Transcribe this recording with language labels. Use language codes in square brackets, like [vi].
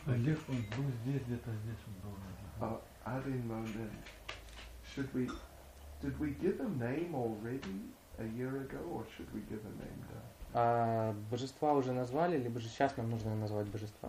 [ru] Олег, он был здесь, где-то здесь он был. [en] I didn't know then. Should we, did we give a name already a year ago, or should we give a name now? [ru] Божества уже назвали, либо же сейчас нам нужно назвать божества?